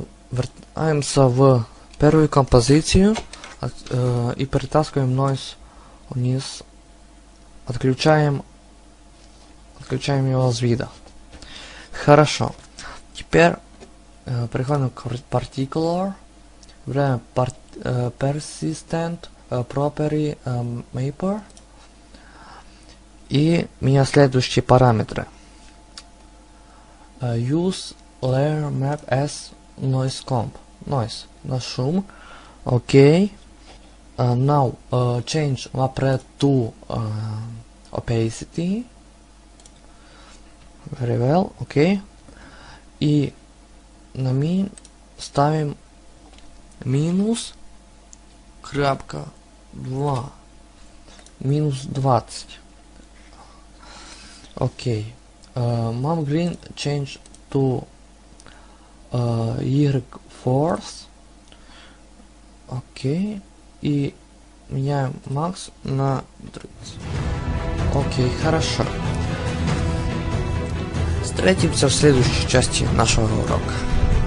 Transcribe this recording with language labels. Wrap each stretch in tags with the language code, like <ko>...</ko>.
<ru>Вертаемся в первую композицию и перетаскиваем noise вниз. Отключаем его с вида. Хорошо. Теперь переходим к particular. Выбираем persistent property mapper. И у меня следующие параметры.</ru> <en>Use layer map as noise comp.</en> <ru>Noise. На шум. Окей.</ru> <en>Now change map red to opacity. Very well. Окей.</en> <ru>И на min ставим минус крапка 2. Минус 20. Окей.</ru> <en>Map green change to y-force.</en> <ru>Окей. И меняем max на 30. Окей, хорошо. Встретимся в следующей части нашего урока.</ru>